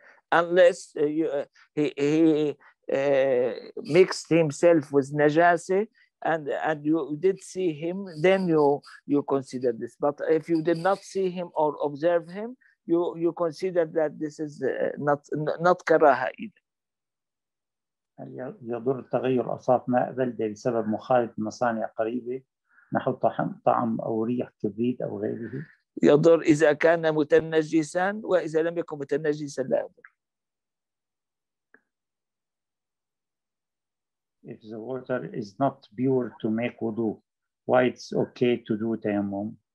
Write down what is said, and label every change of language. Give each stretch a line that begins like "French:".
English: Unless he mixed himself with najasa and you did see him, then you consider this. But if you did not see him or observe him, you consider that this is not karaha either.
Arabic: يضر تغير أصاف ماء بلدة بسبب مخالط مصانع قريبة نحو طعم أو ريح كبريت أو غيره. يضر إذا كان متنجسا، وإذا لم يكن متنجسا لا يضر.
English: If the water is not pure to make wudu, why it's okay to do tayammum?